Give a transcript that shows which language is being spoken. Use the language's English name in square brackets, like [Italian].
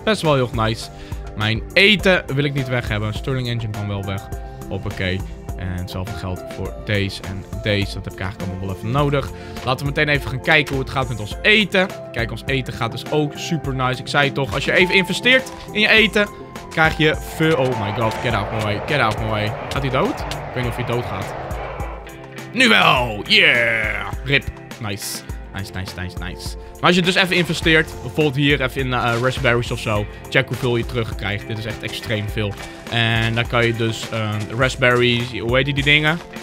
[Dutch] Best wel heel nice. Mijn eten wil ik niet weg hebben. Sterling engine kan wel weg. Hoppakee. En hetzelfde geldt voor deze en deze. Dat heb ik eigenlijk allemaal wel even nodig. Laten we meteen even gaan kijken hoe het gaat met ons eten. Kijk, ons eten gaat dus ook super nice. Ik zei het toch, als je even investeert in je eten, krijg je veel... [English] Oh my god, get out of my way, get out of my way. [Dutch] Gaat hij dood? Ik weet niet of hij dood gaat. Nu wel, yeah. Rip, nice. Nice, nice, nice, nice. Maar als je dus even investeert, bijvoorbeeld hier even in raspberries of zo, check hoeveel je terugkrijgt. Dit is echt extreem veel. En dan kan je dus raspberries, hoe heet die dingen?